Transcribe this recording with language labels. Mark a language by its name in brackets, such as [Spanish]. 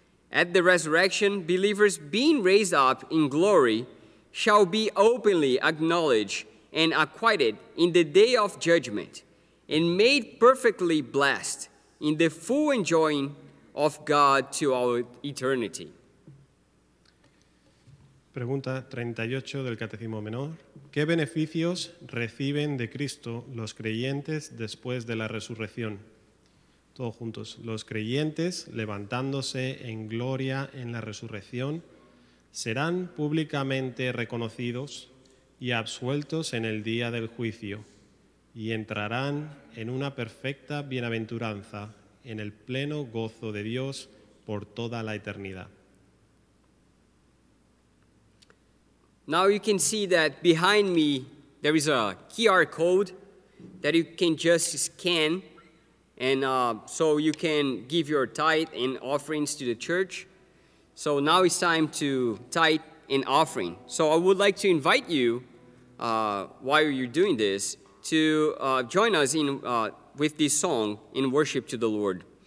[English] At the resurrection, believers being raised up in glory shall be openly acknowledged and acquitted in the day of judgment, and made perfectly blessed in the full enjoying of God to all eternity. [Spanish] Pregunta 38 del Catecismo Menor. ¿Qué beneficios reciben de Cristo los creyentes después de la resurrección? Todos juntos, los creyentes levantándose en gloria en la resurrección serán públicamente reconocidos y absueltos en el día del juicio y entrarán en una perfecta bienaventuranza, en el pleno gozo de Dios por toda la eternidad. [English] Now you can see that behind me there is a QR code that you can just scan, and so you can give your tithe and offerings to the church. So now it's time to tithe and offering. So I would like to invite you, while you're doing this, to join us in with this song in worship to the Lord.